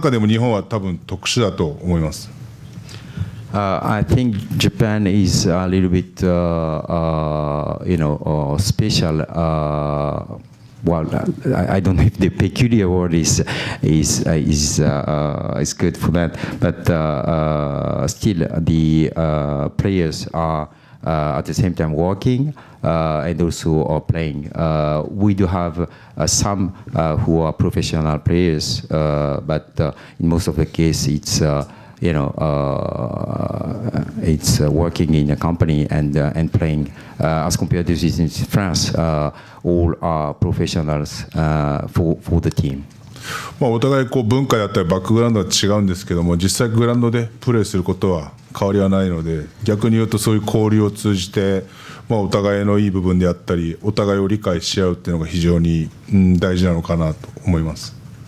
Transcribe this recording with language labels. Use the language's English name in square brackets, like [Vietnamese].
[Japanese] まあそういう中で特に日本は、ほとんどの選手が、会社で企業で働く、まあプラスプロのまあ日本人選手、外国人選手がいる形ですね。で逆に言うとフランスはもうクラブチームとして、まあクラブが抱えている、もう本当にプロフェッショナルの選手、まあそもそもそういうバックグラウンドが違う国ですけど、まあその中でも日本は多分特殊だと思います。 [English] I think Japan is a little bit, special. I don't know if the peculiar word is good for that. But still, the players are at the same time working and also are playing. We do have some who are professional players, but in most of the case, it's. It's working in a company and playing. As compared to this in France, all are professionals for the team. [Japanese] まあ、お互いこう文化だったりバックグラウンドは違うんですけども実際グラウンドでプレーすることは変わりはないので逆に言うとそういう交流を通じて、まあ、お互いのいい部分であったりお互いを理解し合うっていうのが非常に、うん、大事なのかなと思います。